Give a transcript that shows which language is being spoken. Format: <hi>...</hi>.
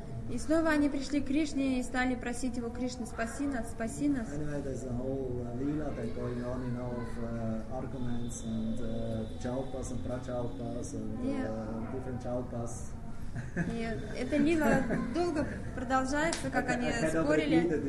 <ru>И снова они пришли к Кришне и стали просить его: «Кришна, спаси нас, спаси нас».</ru> <en>Anyway, there's a whole lila that's going on, you know, of arguments and chalpas and prachalpas and different chalpas.</en> <ru>И эта лила долго продолжается, как они спорили.</ru>